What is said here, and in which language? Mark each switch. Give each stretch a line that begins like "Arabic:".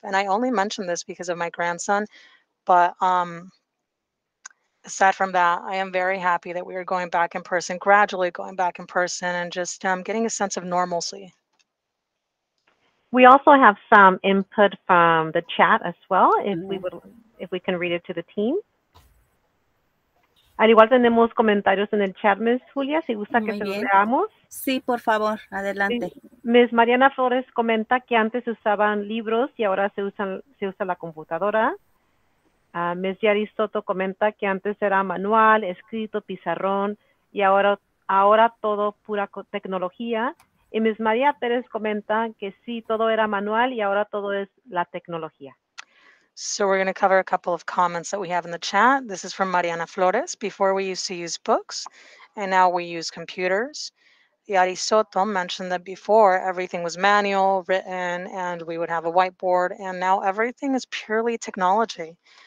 English: And I only mention this because of my grandson, but aside from that, I am very happy that we are going back in person, gradually going back in person, and just getting a sense of normalcy. We also have some input from the chat as well, if we can read it to the team.
Spanish: Al igual tenemos comentarios en el chat, Ms. Julia, si gusta que se los leamos. Sí, por favor, adelante. Ms. Mariana Flores comenta que antes usaban libros y ahora se usa la computadora. Ms. Yari Soto comenta que antes era manual, escrito, pizarrón, y ahora todo pura tecnología. Y Ms. María Pérez comenta que sí, todo era manual y ahora todo es la tecnología.
English: So we're going to cover a couple of comments that we have in the chat. This is from Mariana Flores. Before we used to use books, and now we use computers. Yari Soto mentioned that before everything was manual, written, and we would have a whiteboard, and now everything is purely technology.